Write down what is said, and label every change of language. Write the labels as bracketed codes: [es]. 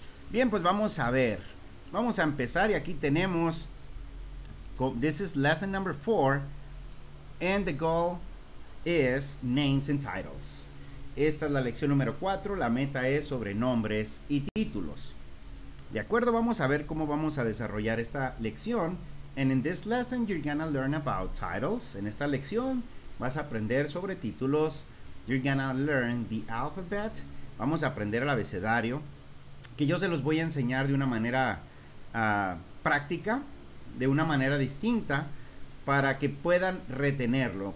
[es] Bien, pues vamos a ver. Vamos a empezar, y aquí tenemos, [en] this is lesson number 4, and the goal is names and titles. [es] Esta es la lección número 4, la meta es sobre nombres y títulos. De acuerdo, vamos a ver cómo vamos a desarrollar esta lección. [en] And in this lesson, you're gonna learn about titles. [es] En esta lección, vas a aprender sobre títulos. [en] You're gonna learn the alphabet. [es] Vamos a aprender el abecedario, que yo se los voy a enseñar de una manera práctica, de una manera distinta, para que puedan retenerlo.